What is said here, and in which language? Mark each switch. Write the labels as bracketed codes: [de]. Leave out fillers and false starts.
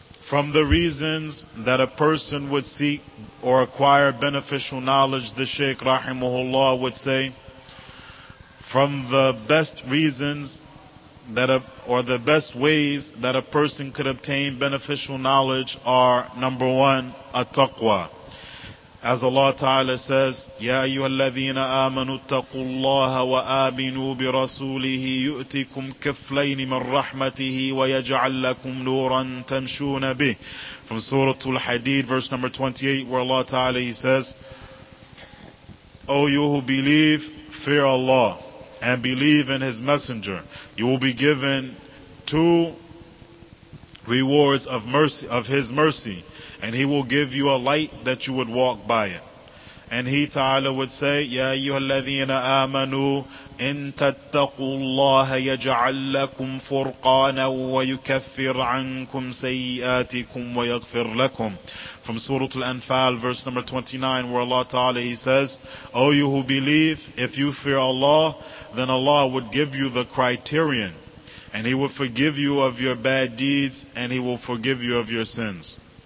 [en] From the reasons that a person would seek or acquire beneficial knowledge, the Shaykh rahimahullah would say, from the best reasons that the best ways that a person could obtain beneficial knowledge are, number one, at-taqwa. As Allah Ta'ala says, [ar] يَا أَيُّهَا الَّذِينَ آمَنُوا اتَّقُوا اللَّهَ وَآمِنُوا بِرَسُولِهِ يُؤْتِكُمْ كِفْلَيْنِ مِنْ رَحْمَتِهِ وَيَجْعَلْ لَكُمْ نُورًا تَمْشُونَ بِهِ. [en] From Surah Al-Hadid, verse number 28, where Allah Ta'ala, He says, O you who believe, fear Allah and believe in His Messenger. You will be given two rewards of mercy, of His mercy. And He will give you a light that you would walk by it. And He Ta'ala would say, [ar] يَا أَيُّهَا الَّذِينَ آمَنُوا إِن تَتَّقُوا اللَّهَ يَجْعَلْ لَكُمْ فُرْقَانًا وَيُكَفِّرْ عَنْكُمْ سَيِّئَاتِكُمْ وَيَغْفِرْ لَكُمْ. [en] From Surah Al-Anfal, verse number 29, where Allah Ta'ala, He says, O you who believe, if you fear Allah, then Allah would give you the criterion. And He will forgive you of your bad deeds, and He will forgive you of your sins.